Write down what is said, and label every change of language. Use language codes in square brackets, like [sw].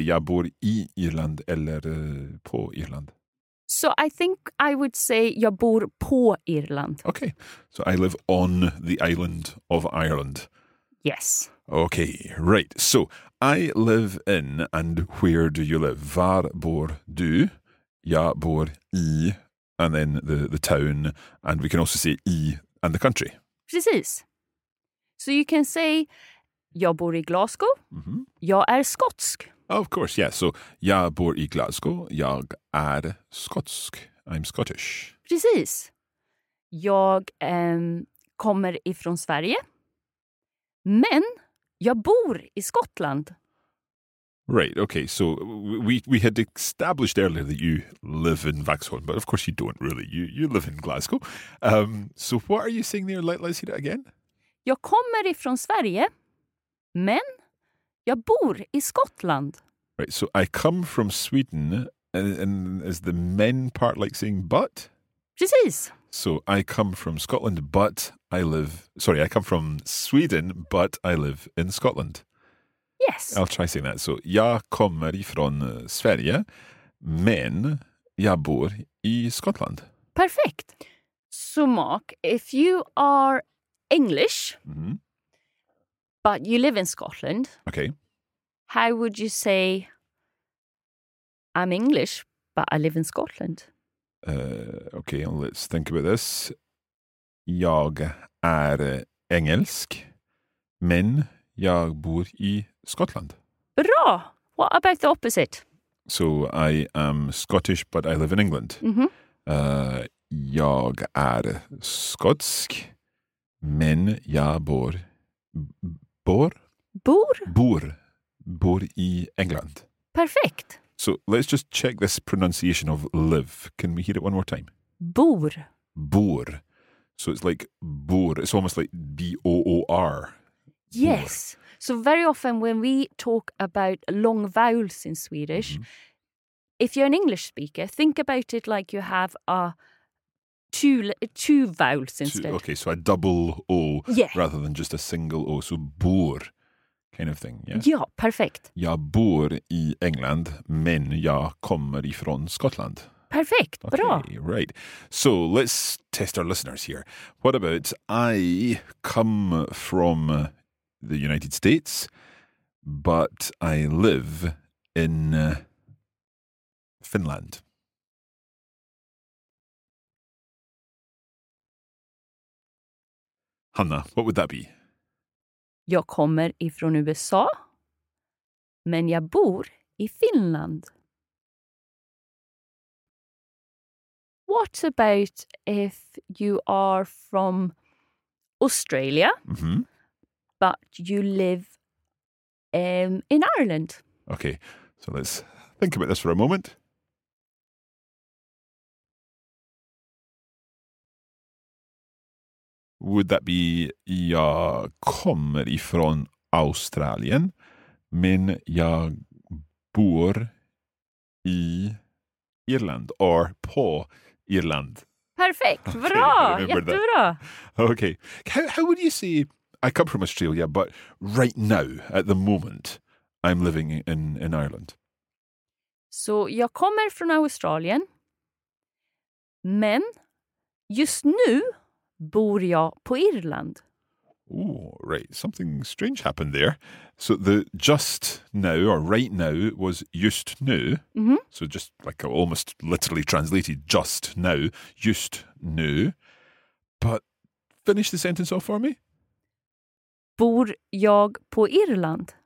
[sv] Jag bor I Irland eller på Irland? [en] So I think I would say [sv] jag bor på Irland. [en] Okay. So I live on the island of Ireland. Yes. Okay. Right. So I live in, and where do you live? [sv] Var bor du? Jag bor I, [en] and then the town, and we can also say I and the country. Precis. So you can say [sv] jag bor I Glasgow. Mm-hmm. Jag är skotsk. [en] Of course, yeah. [sv] So, jag bor I Glasgow, jag är skotsk. [en] I'm Scottish. [sv] Precis. Jag kommer ifrån Sverige, men jag bor I Skottland. [en] Right, okay. So, we had established earlier that you live in Vaxholm, but of course you don't really. You live in Glasgow. So, what are you saying there? Let's hear it again. [sv] Jag kommer ifrån Sverige, men jag bor I Skottland. [en] Right, so I come from Sweden, and is the men part like saying but? [sv] Precis. [en] So I come from Scotland, but I live... Sorry, I come from Sweden, but I live in Scotland. Yes. I'll try saying that. [sv] So jag kommer ifrån Sverige, men jag bor I Skottland. [en] Perfect. So Mark, if you are English, but you live in Scotland... Okay. How would you say, I'm English, but I live in Scotland? Okay, let's think about this. [sv] Jag är engelsk, men jag bor I Scotland. [en] Bra! What about the opposite? So, I am Scottish, but I live in England. Mm-hmm. [sv] Jag är skotsk, men jag bor... Bor? Bor. Bor I England. [en] Perfect. So let's just check this pronunciation of live. Can we hear it one more time? [sv] Bor. [en] Bor. So it's like bor. It's almost like B-O-O-R. Yes. Bor. So very often when we talk about long vowels in Swedish, if you're an English speaker, think about it like you have two vowels instead. Okay, so a double O rather than just a single O. So bor. Kind of thing, yeah. [sv] Ja, perfekt. Jag bor I England, men jag kommer ifrån Skottland. Perfekt, [en] okay, [sv] bra. [en] Right. So let's test our listeners here. What about I come from the United States, but I live in Finland? Hanna, what would that be? [sv] Jag kommer ifrån USA, men jag bor I Finland. [en] What about if you are from Australia, but you live in Ireland? Okay, so let's think about this for a moment. Would that be [sv] jag kommer ifrån Australien, men jag bor I Irland or på Irland? [en] Perfect. [sv] Bra. Jättebra. [en] Okay. How would you say, I come from Australia, but right now, at the moment, I'm living in Ireland? [sv] Så jag kommer från Australien, men just nu bor jag på Irland. [en] Oh, right. Something strange happened there. So the just now or right now was just nu. Mm-hmm. So just like almost literally translated just now, just nu. But finish the sentence off for me. [sv] Bor jag på Irland?